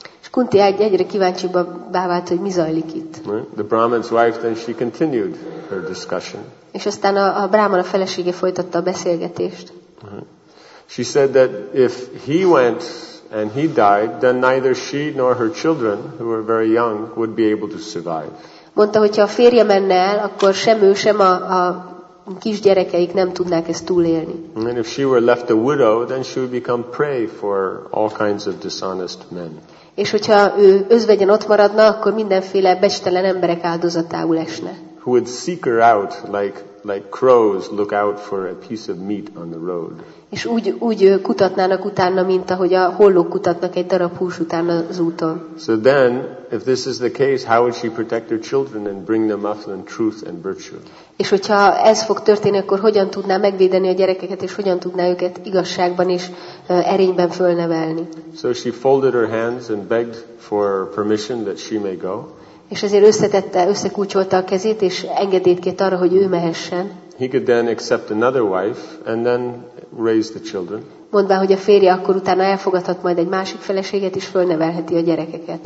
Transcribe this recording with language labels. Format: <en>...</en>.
<hu>És Kunti egyre kíváncsibbá vált, hogy mi zajlik itt.</hu> <en>The Brahman's wife, then she continued her discussion.</en> <hu>És aztán a brámana felesége folytatta a beszélgetést.</hu> <en>She said that if he went and he died, then neither she nor her children, who were very young, would be able to survive.</en> <hu>Mondta, hogyha a férje menne el, akkor sem ő, sem a kisgyerekeik nem tudnák ezt túlélni.</hu> <en>And if she were left a widow, then she would become prey for all kinds of dishonest men.</en> <hu>És hogyha ő özvegyen ott maradna, akkor mindenféle becstelen emberek áldozatául esne.</hu> <en>Who would seek her out like crows look out for a piece of meat on the road.</en> <hu>És úgy kutatnának utána, mint ahogy a hollók kutatnak egy darab hús után az úton.</hu> <en>So then, if this is the case, how would she protect her children and bring them up in truth and virtue?</en> <hu>És hogyha ez fog történni, akkor hogyan tudná megvédeni a gyerekeket, és hogyan tudná őket igazságban és erényben fölnevelni?</hu> <en>So she folded her hands and begged for permission that she may go.</en> <hu>És ezért összekulcsolta a kezét, és engedélyt kért arra, hogy ő mehessen.</hu> <en>He could then accept another wife and then raise the children.</en> <hu>Mondván, hogy a férje akkor utána elfogadhat majd egy másik feleséget, és fölnevelheti a gyerekeket.</hu>